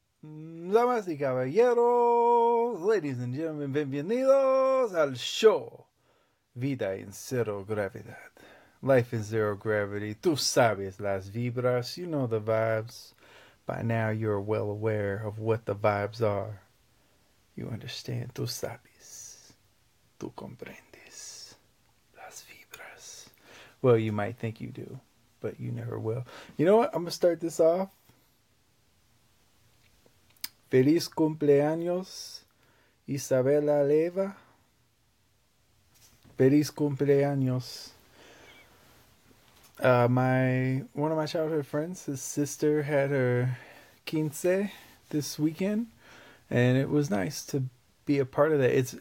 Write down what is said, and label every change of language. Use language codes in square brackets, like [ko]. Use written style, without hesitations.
[es] Damas y caballeros, [en] ladies and gentlemen, [es] bienvenidos al show Vida en Cero Gravedad. [en] Life in Zero Gravity, [es] tú sabes las vibras, [en] you know the vibes. By now you're well aware of what the vibes are. You understand, [es] tú sabes. Tú comprendes las vibras. [en] Well, you might think you do, but you never will. You know what? I'm going to start this off. [es] Feliz cumpleaños, Isabela Leva. Feliz cumpleaños. [en] One of my childhood friends, his sister had her quince this weekend, and it was nice to be a part of that.